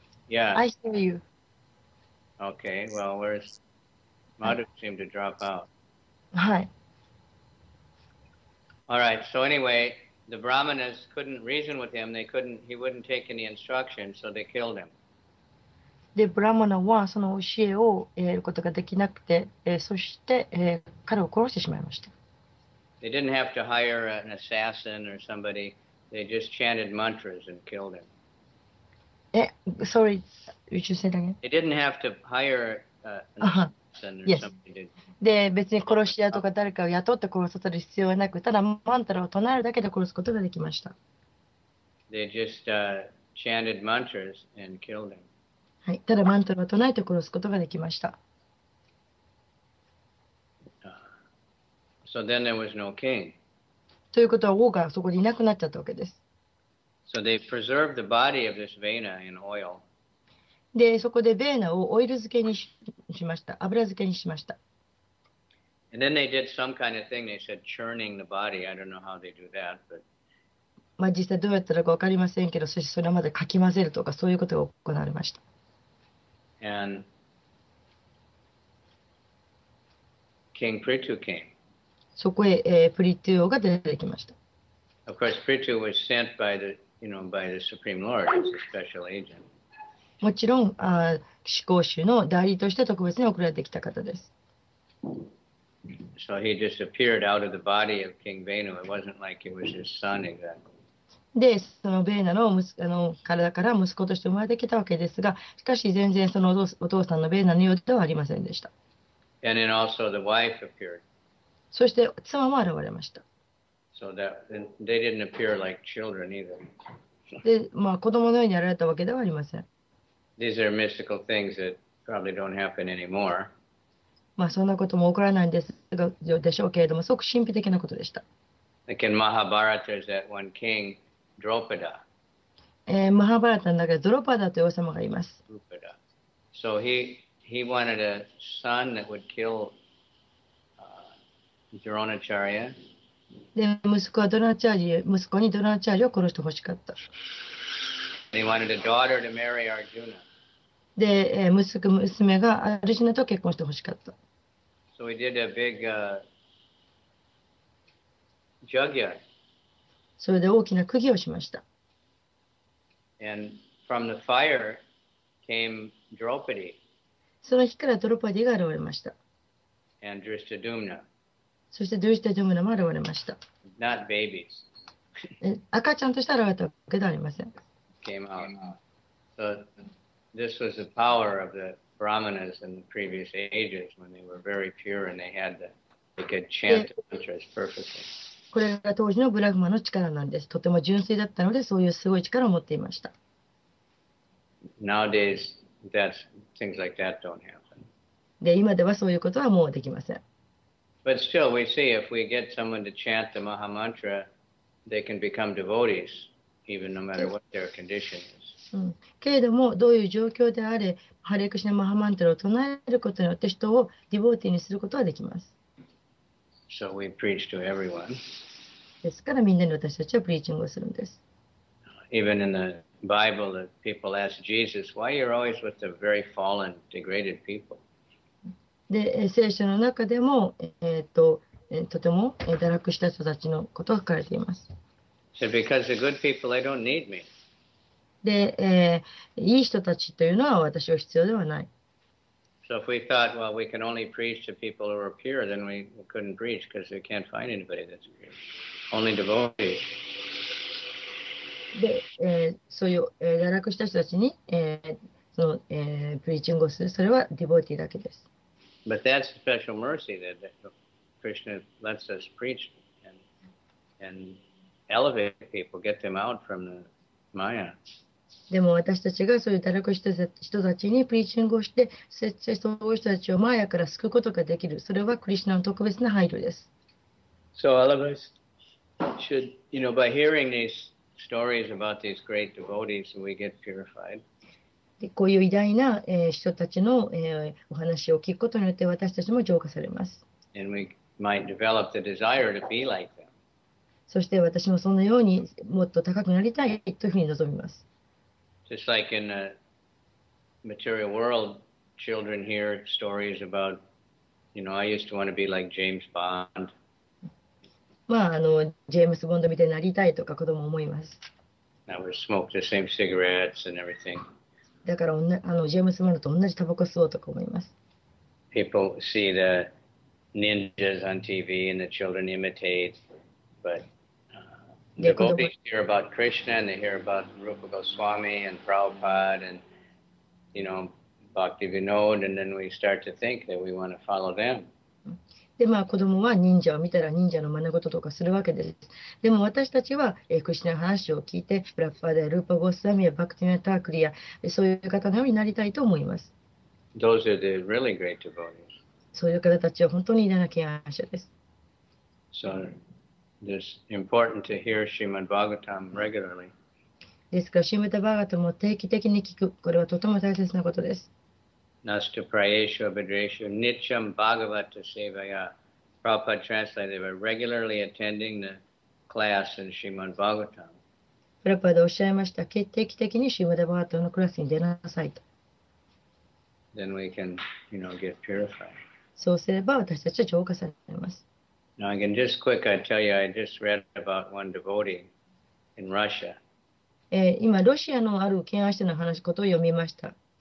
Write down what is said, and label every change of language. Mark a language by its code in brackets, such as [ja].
[en] Yeah. I hear you. Okay, well, where's... Madhu seemed to drop out. Hi. Alright, so anyway, the Brahmanas couldn't reason with him. They couldn't... He wouldn't take any instructions, so they killed him. [ja] で、ブラマナはその教えを得ることができなくて、そして、彼を殺してしまいました。 [en] They didn't have to hire an assassin or somebody. They just chanted mantras and killed him. Sorry, would you say that again? They didn't have to hire Yes. [ja] で別に殺し屋とか誰かを雇って殺させる必要はなく、ただマントラを唱えるだけで殺すことができました。 [en] They just, chanted mantras and killed him. [ja] はい、ただマントラを唱えて殺すことができました。 [en] So then there was no king. [ja] ということは王がそこにいなくなっちゃったわけです。 [en] So they preserved the body of this Vena in oil. [ja] で、そこでベーナをオイル漬けにしました。油漬けにしました。 [en] And then they did some kind of thing. They said churning the body. I don't know how they do that, but. [ja] まあ実際どうやったらかわかりませんけど、そしてそれまでかき混ぜるとかそういうことが行われました。 [en] And King Prithu came. [ja] そこへ、プリトゥ王が出てきました。 [en] Of course, Prithu was sent by the, you know, by the Supreme Lord as a special agent. [ja] もちろん、始皇主の代理として特別に送られてきた方です。 [en] So he just appeared out of the body of King Venu. It wasn't like it was his son exactly. [ja] で、そのベーナの息子の体から息子として生まれてきたわけですが、しかし全然そのお父さんのベーナのようではありませんでした。 [en] And then also the wife appeared. [ja] そして妻も現れました。 [en] So that they didn't appear like children either. [ja] で、まあ子供のように現れたわけではありません。 [en] These are mystical things that probably don't happen anymore. [ja] まあそんなことも起こらないんですが、でしょうけれども、すごく神秘的なことでした。 [en] Like in Mahabharata, there's that one king, Draupada. [ja] Mahabharata の中でドロパダという王様がいます。 [en] Draupada. So he wanted a son that would kill, Dronacharya. [ja] で、息子はドロナチャージ、息子にドロナチャージを殺してほしかった。 [en] He wanted a daughter to marry Arjuna. [ja] で、息子娘がアルジュナと結婚してほしかった。 [en] So he did a big, yajna. [ja] それで大きな釘をしました。 [en] And from the fire came Draupadi. [ja] その火からドロパディが現れました。 [en] And Drishtadyumna. [ja] そしてドゥシタドゥムナも現れました。 [en] Not babies. [ja] 赤ちゃんとして現れたわけではありません。 [en] Came out. So this was the power of the brahmanas in the previous ages when they were very pure and they could chant mantras perfectly. [ja] これが当時のブラフマの力なんです。とても純粋だったのでそういうすごい力を持っていました。 [en] Nowadays, that's things like that don't happen. [ja] で今ではそういうことはもうできません。 [en] But still, we see if we get someone to chant the Maha Mantra, they can become devotees. Even no matter what their condition is. [ja] けれども、どういう状況であれ、ハレクシナマハマントラを唱えることによって人をディボーティーにすることはできます。 [en] So we preach to everyone. [ja] ですから、みんなに私たちはプリーチングをするんです。 [en] Even in the Bible, the people ask Jesus, why you're always with the very fallen, degraded people? [ja] で、聖書の中でも、とても堕落した人たちのことが書かれています。 [en] So because the good people, they don't need me. [ja] で、いい人たちというのは私は必要ではない。 [en] So if we thought, well, we can only preach to people who are pure, then we couldn't preach because we can't find anybody that's pure. Only devotees. [ja] で、そういう、堕落した人たちに、その、プリーチングをする、それはディボーティーだけです。 [en] But that's special mercy that Krishna lets us preach and elevate people, get them out from the Maya. [ja] でも私たちがそういう堕落した人たちにプリーチングをして、そういう人たちをマヤから救うことができる。それはクリシナの特別な配慮です。 [en] So all of us should, you know, by hearing these stories about these great devotees, we get purified. [ja] で、こういう偉大な、人たちの、お話を聞くことによって私たちも浄化されます。 [en] And we might develop the desire to be like them. [ja] そして私もそのようにもっと高くなりたいというふうに望みます。 [en] Just like in the material world, children hear stories about, you know, I used to want to be like James Bond. [ja] まあ、ジェームス・ボンドみたいになりたいとか子供思います。 [en] I would smoke the same cigarettes and everything. [ja] だからジェームス・ボンドと同じタバコ吸おうとか思います。 [en] People see the ninjas on TV and the children imitate, but [ja] で、子供 [en] devotees hear about Krishna and they hear about Rupa Goswami and Prabhupada and you know Bhaktivinoda and then we start to think that we want to follow them. [ja] で、まあ、子供は忍者を見たら忍者の真似事とかするわけです。でも私たちは、クリシナの話を聞いて、プラッパーでルーパ・ゴスワミやバクティナ・タークリア、そういう方のようになりたいと思います。 [en] Those are the really great devotees. [ja] そういう方たちは本当に偉大な敬愛者です。 [en] So, it's important to hear Srimad Bhagavatam regularly. [ja] ですから、シュリマド・バーガタムも定期的に聞く。これはとても大切なことです。 [sa] Nastu Prayesho Bhadresho Nityam Bhagavata Sevaya. [en] Prabhupada translated, they were regularly attending the class in Srimad Bhagavatam. [ja] Prabhupada おっしゃいました。定期的にシュリマド・バーガタムのクラスに出なさいと。 [en] Then we can, you know, get purified. [ja] そうすれば私たちは浄化されます。 [en] Now I can just quick, I tell you, I just read about one devotee in Russia. [ja] 今、ロシアのある敬愛者の話ことを読みました。